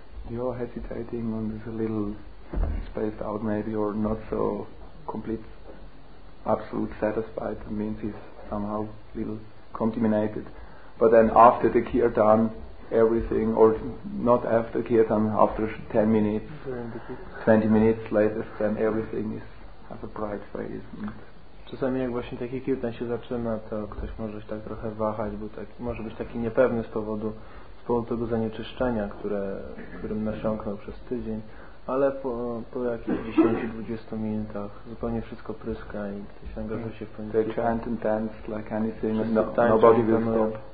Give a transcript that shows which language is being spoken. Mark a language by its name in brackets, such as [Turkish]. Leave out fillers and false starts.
[English] You're hesitating and it's a little spaced out maybe or not so complete absolute satisfied, that means he's somehow a little contaminated. But then after the kirtan everything, or not after kirtan, after 10 minutes, 20 minutes later, then everything is has a bright face. [Polish] Czasami jak właśnie taki kirtan się zaczyna, to ktoś może się tak trochę wahać, bo tak, może być taki niepewny z powodu tego zanieczyszczenia, którym nasiąknął przez tydzień, ale po jakichś 10-20 minutach zupełnie wszystko pryska i ktoś angażuje się w pełni. [English] They chant and dance like anything, nobody will stop.